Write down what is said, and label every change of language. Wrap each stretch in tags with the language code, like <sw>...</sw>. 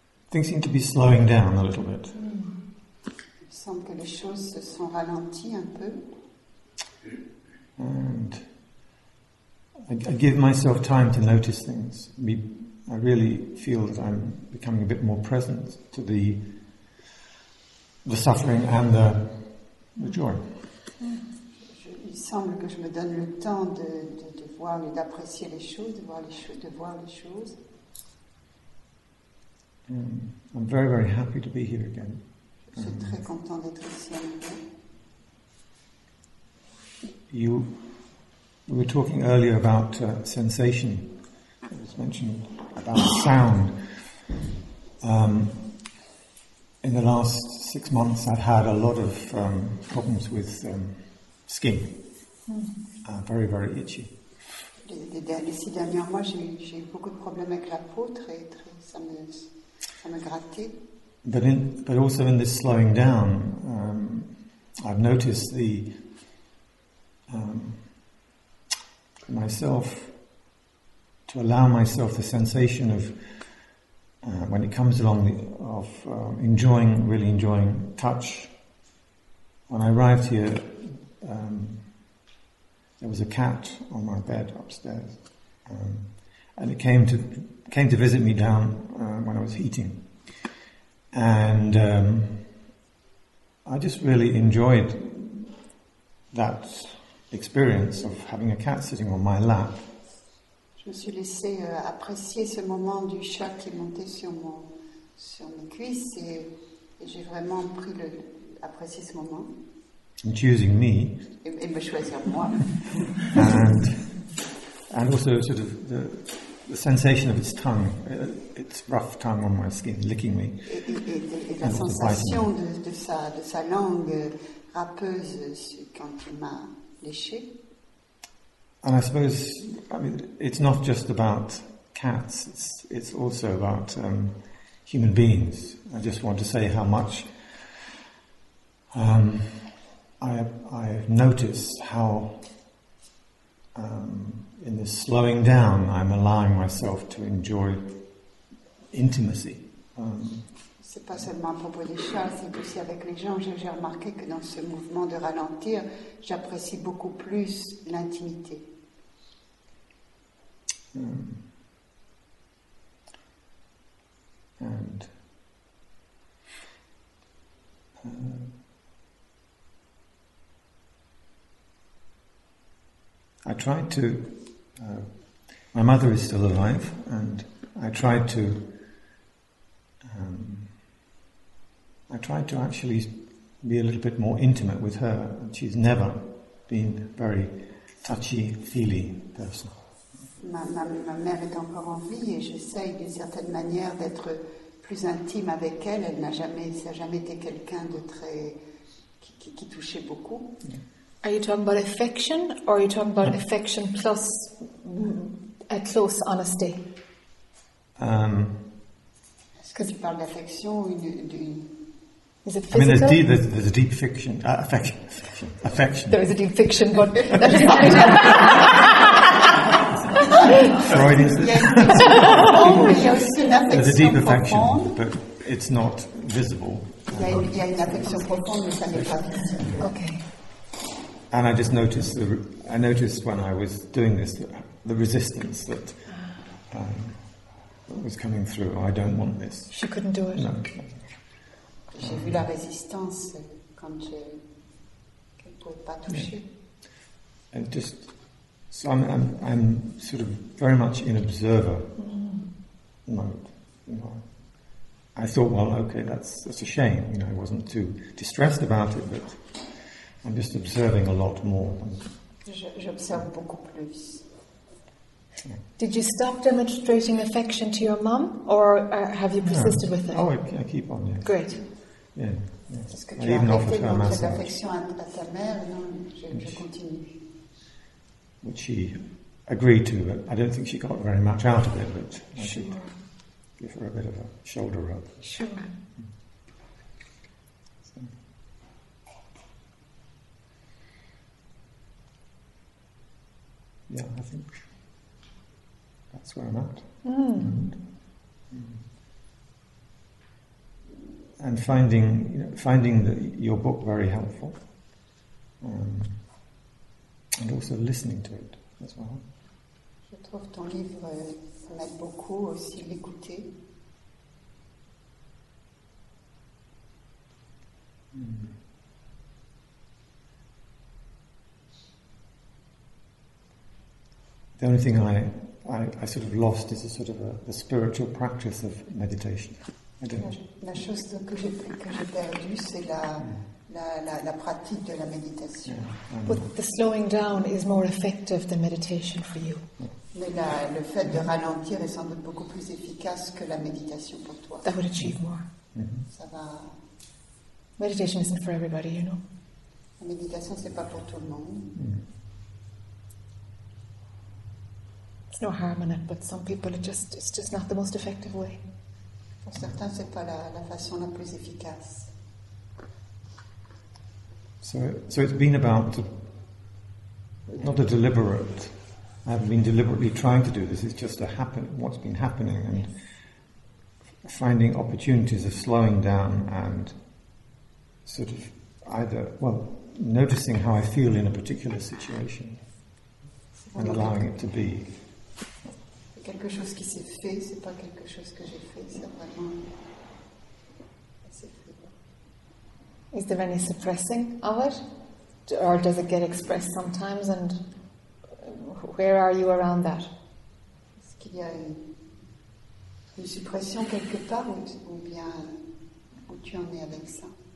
<en>Things seem to be slowing down a little bit. Mm.</en> <fr>Il semble que les choses se sont ralenties un peu.</fr> <en>And I give myself time to notice things. I really feel that I'm becoming a bit more present to the suffering and the joy.</en> <fr>Il semble que je me donne le temps de voir et d'apprécier les choses, de voir les choses.</fr> <en>I'm very, very happy to be here again.</en> <fr>Je suis très content d'être ici à nouveau.</fr> <en>We were talking earlier about sensation. It was mentioned about sound. In the last 6 months, I've had a lot of problems with skin. Mm-hmm. Very, very itchy.</en> <fr>Ces derniers mois, j'ai eu beaucoup de problèmes avec la peau, très, ça me grattait.</fr> <en>But also in this slowing down, I've noticed the myself to allow myself the sensation of. When it comes along really enjoying touch. When I arrived here, there was a cat on my bed upstairs, and it came to visit me down when I was heating, and I just really enjoyed that experience of having a cat sitting on my lap.</en> <fr>Je me suis laissé apprécier ce moment du chat qui montait sur mes cuisses et j'ai vraiment pris le apprécié ce moment.</fr> <en>And choosing me.</en> <fr>Et me choisir moi.</fr> <en>And also sort of the sensation of its tongue, its rough tongue on my skin, licking me.</en> <fr>Et la sensation de sa langue râpeuse quand il m'a léché.</fr> <en>And I suppose, I mean, it's not just about cats, it's also about human beings. I just want to say how much I notice how in this slowing down I'm allowing myself to enjoy intimacy.</en> <fr>C'est pas seulement à propos des chats, c'est aussi avec les gens. J'ai remarqué que dans ce mouvement de ralentir, j'apprécie beaucoup plus l'intimité.</fr> <en>I tried to. My mother is still alive, and I tried to. I tried to actually be a little bit more intimate with her. She's never been a very touchy-feely person.</en> <fr>Ma mère est encore en vie et j'essaye d'une certaine manière d'être plus intime avec elle. Elle n'a jamais été quelqu'un de très qui touchait beaucoup.</fr> <en>Yeah. Are you talking about affection or are you talking about affection plus a close honesty?</en> <fr>Est-ce que tu parles d'affection ou d'une...</fr> <en>Is it physical? I mean, there's a deep fiction. Affection. There is a deep fiction, but that's fine. Freud is there's a deep affection, but it's not visible. Okay. And I just noticed I noticed when I was doing this the resistance that was coming through. I don't want this. She couldn't do it. No.</en> <fr>J'ai vu la résistance quand qu'elle ne pouvait pas toucher.</fr> <en>And just. So I'm sort of very much in observer mode. You know. I thought, well, okay, that's a shame. You know, I wasn't too distressed about it, but I'm just observing a lot more.</en> <fr>J'observe beaucoup plus.</fr> <en>Did you stop demonstrating affection to your mum, or have you persisted with it? Oh, I keep on, yes. Great. Yeah, yes. I even offered her a massage.</en> <fr>Affection à ta mère, non, je continue.</fr> <en>Which she agreed to, but I don't think she got very much out of it, but sure. I should give her a bit of a shoulder rub. Sure. So. Yeah, I think that's where I'm at. And finding your book very helpful. And also listening to it as well.</en> <fr>Je trouve ton livre m'aide beaucoup aussi l'écouter.</fr> <en>The only thing I sort of lost is a sort of a spiritual practice of meditation. I don't know.</en> <fr>La chose que j'ai perdue, c'est la. La pratique de la méditation.</fr> <en>Yeah, but the slowing down is more effective than meditation for you.</en> <fr>Mais le fait de ralentir est sans doute beaucoup plus efficace que la méditation pour toi.</fr> <en>That would achieve more. Mm-hmm.</en> <fr>Ça va.</fr> <en>Meditation isn't for everybody, you know.</en> <fr>La méditation, c'est pas pour tout le monde.</fr> <en>It's no harm in it, but some people, it's just not the most effective way.</en> <fr>Pour certains, c'est pas la façon la plus efficace.</fr> <en>So it's been about not a deliberate. I haven't been deliberately trying to do this. It's just what's been happening, and finding opportunities of slowing down and sort of either noticing how I feel in a particular situation and allowing it to be.</en> <fr>Quelque quelque chose qui s'est fait, c'est pas quelque chose que j'ai fait, c'est vraiment.</fr> <en>Is there any suppressing of it? Or does it get expressed sometimes, and where are you around that?</en> <fr>Est-ce qu'il y a une suppression quelque part, ou bien où tu en es avec ça?</fr>